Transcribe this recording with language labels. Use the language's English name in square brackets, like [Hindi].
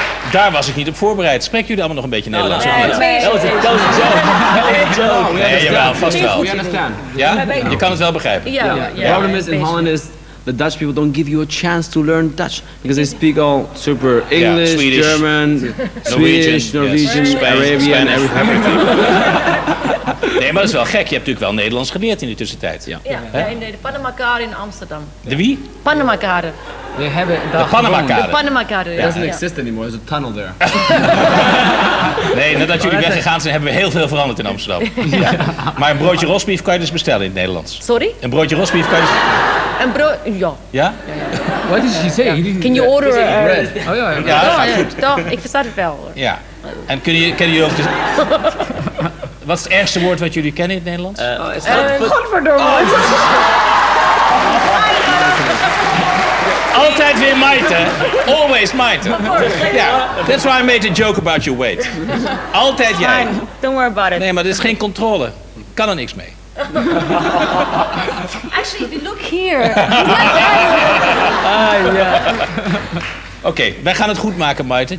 [Dutch] Daar was ik niet op voorbereid. Spreken jullie allemaal nog een beetje Nederlands? Dat was een joke. Nee, jawel, vast wel. Ja, je kan het wel begrijpen. [English] The problem is in Holland is the Dutch people don't give you a chance to learn Dutch because they speak all super English, Swedish, German, Swedish, Norwegian, Arabian, everything. [Dutch] Nee, maar dat is wel gek. Je hebt natuurlijk wel Nederlands geleerd in de tussentijd. Ja, in de Panama Kade in Amsterdam. De wie? Panama Kade. [English] They have it. [Dutch] De Panama Kade. De Panama Kade, [English] It doesn't exist anymore. There's a tunnel there. [Dutch] Nee, nadat jullie weggegaan zijn, hebben we heel veel veranderd in Amsterdam. Ja. Maar een broodje rosbief kan je dus bestellen in het Nederlands. [English] Sorry? [Dutch] Een broodje rosbief kan je dus... Een brood... Ja. Ja? [English] What did she say? Yeah. Can you order... Bread? [Dutch] Oh ja, [English] bread. [Dutch] Ja, dat gaat goed. Toch, ik versta het wel. Ja. En kun je ook... Wat is het ergste woord wat jullie kennen in het Nederlands? Godverdomme. Altijd weer mijten. [English] Always [Dutch] mijten. Yeah. [English] That's why I made a joke about your weight. [Dutch] Altijd jij. [English] Fine. Don't worry about it. [Dutch] Nee, maar dit is geen controle. Kan er niks mee. [English] Actually, if you look here. [Dutch] Oké, wij gaan het goed maken, mijten.